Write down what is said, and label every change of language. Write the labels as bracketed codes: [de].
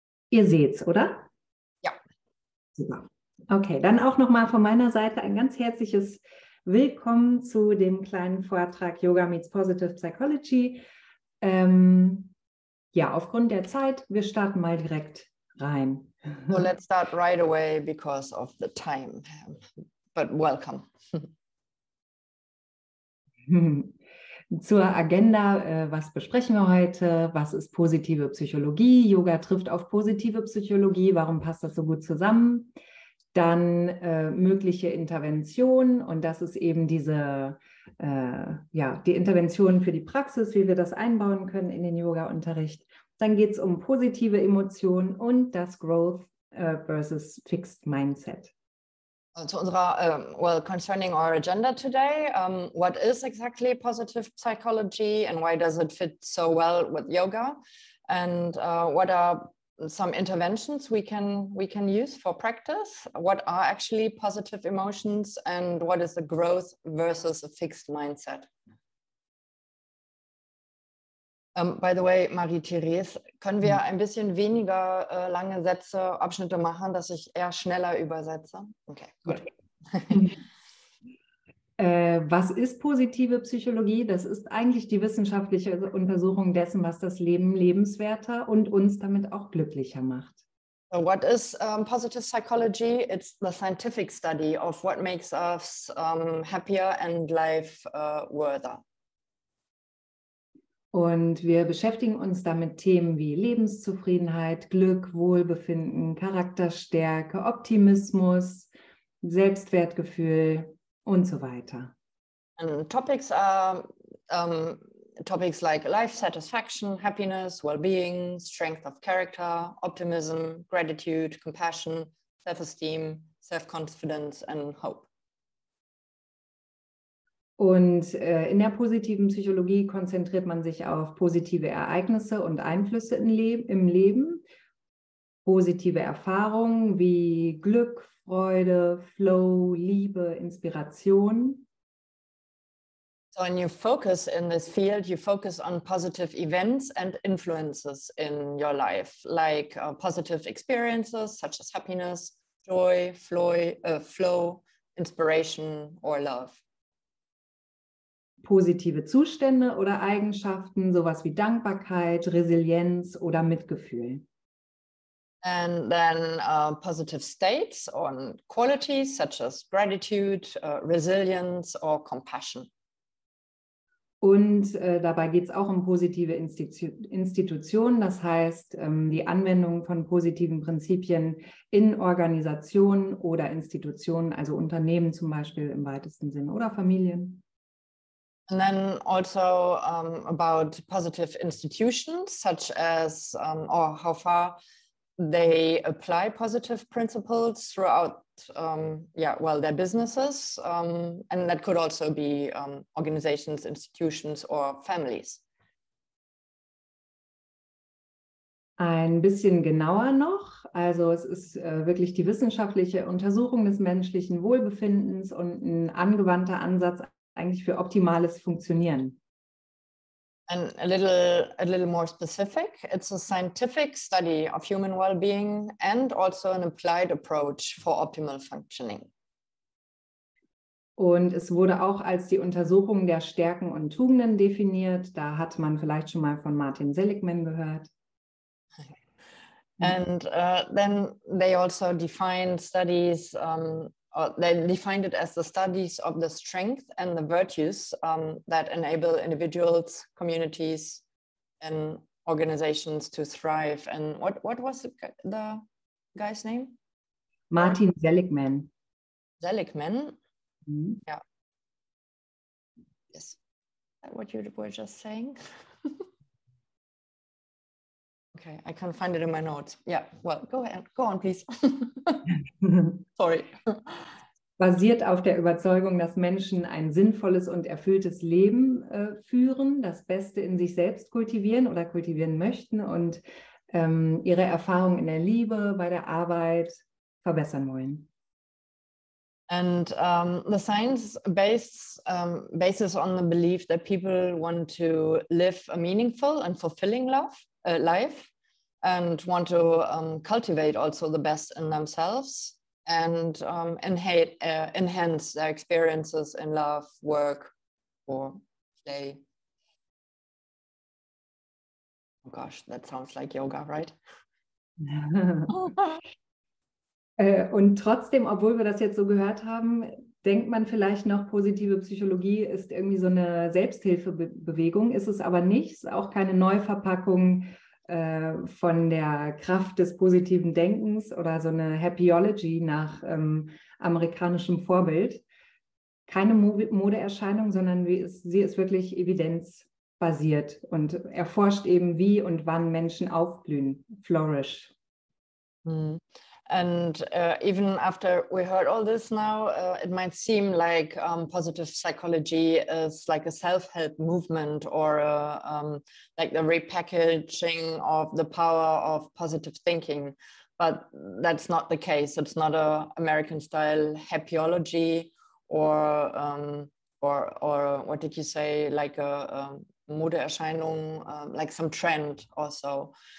[de] Ihr seht's, oder? Ja. Super. Okay, dann auch nochmal von meiner Seite ein ganz herzliches Willkommen zu dem kleinen Vortrag [en] Yoga meets Positive Psychology. [de] Ja, aufgrund der Zeit, wir starten mal direkt rein. [en] So let's start right away because of the time, but welcome. [de] Zur Agenda, was besprechen wir heute? Was ist positive Psychologie? Yoga trifft auf positive Psychologie. Warum passt das so gut zusammen? Dann mögliche Intervention, und das ist eben diese, die Intervention für die Praxis, wie wir das einbauen können in den Yoga-Unterricht. Dann geht es um positive Emotionen und das Growth versus Fixed Mindset. Also unserer, [en] concerning our agenda today, what is exactly positive psychology and why does it fit so well with yoga? And what are some interventions we can use for practice? What are actually positive emotions and what is the growth versus a fixed mindset? By the way, [de] Marietheres, können wir ein bisschen weniger lange Sätze, Abschnitte machen, dass ich eher schneller übersetze? Okay, gut. Was ist positive Psychologie? Das ist eigentlich die wissenschaftliche Untersuchung dessen, was das Leben lebenswerter und uns damit auch glücklicher macht. [en] So what is positive psychology? It's the scientific study of what makes us happier and life worthier. [de] Und wir beschäftigen uns damit Themen wie Lebenszufriedenheit, Glück, Wohlbefinden, Charakterstärke, Optimismus, Selbstwertgefühl und so weiter. [en] And topics are Topics like life satisfaction, happiness, well-being, strength of character, optimism, gratitude, compassion, self-esteem, self-confidence and hope. [de] Und in der positiven Psychologie konzentriert man sich auf positive Ereignisse und Einflüsse im Leben, positive Erfahrungen wie Glück, Freude, Flow, Liebe, Inspiration. [en] So when you focus in this field, you focus on positive events and influences in your life, like positive experiences such as happiness, joy, flow, inspiration or love. [de] Positive Zustände oder Eigenschaften, sowas wie Dankbarkeit, Resilienz oder Mitgefühl. [en] And then positive states on qualities such as gratitude, resilience or compassion. [de] Und dabei geht es auch um positive Institutionen, das heißt die Anwendung von positiven Prinzipien in Organisationen oder Institutionen, also Unternehmen zum Beispiel im weitesten Sinne oder Familien. [en] And then also about positive institutions, such as or how far they apply positive principles throughout, their businesses, and that could also be organizations, institutions, or families. [de] Ein bisschen genauer noch, also es ist wirklich die wissenschaftliche Untersuchung des menschlichen Wohlbefindens und ein angewandter Ansatz eigentlich für optimales Funktionieren. [en] And a little more specific, it's a scientific study of human well-being and also an applied approach for optimal functioning. [de] Und es wurde auch als die Untersuchung der Stärken und Tugenden definiert. Da hat man vielleicht schon mal von Martin Seligman gehört. [en] And then they also defined studies, they defined it as the studies of the strength and the virtues that enable individuals, communities and organizations to thrive. And what was the guy's name? Martin Seligman. Seligman? Mm-hmm. Yeah. Yes. Is that what you were just saying? Okay, I can't find it in my notes. Yeah, well, go ahead. Go on, please. Sorry. [de] Basiert auf der Überzeugung, dass Menschen ein sinnvolles und erfülltes Leben führen, das Beste in sich selbst kultivieren oder kultivieren möchten und ihre Erfahrung in der Liebe, bei der Arbeit verbessern wollen. [en] And the science bases on the belief that people want to live a meaningful and fulfilling life and want to cultivate also the best in themselves. And enhance their experiences in love, work, or play. Oh gosh, that sounds like yoga, right? [de] Und trotzdem, obwohl wir das jetzt so gehört haben, denkt man vielleicht noch, positive Psychologie ist irgendwie so eine Selbsthilfebewegung, ist es aber nicht, ist auch keine Neuverpackung von der Kraft des positiven Denkens oder so eine Happyology nach amerikanischem Vorbild. Keine Modeerscheinung, sondern sie ist wirklich evidenzbasiert und erforscht eben, wie und wann Menschen aufblühen, flourish. [en] And even after we heard all this now, it might seem like positive psychology is like a self-help movement or like the repackaging of the power of positive thinking. But that's not the case. It's not a American-style happyology or what did you say, like a Modeerscheinung, like some trend also.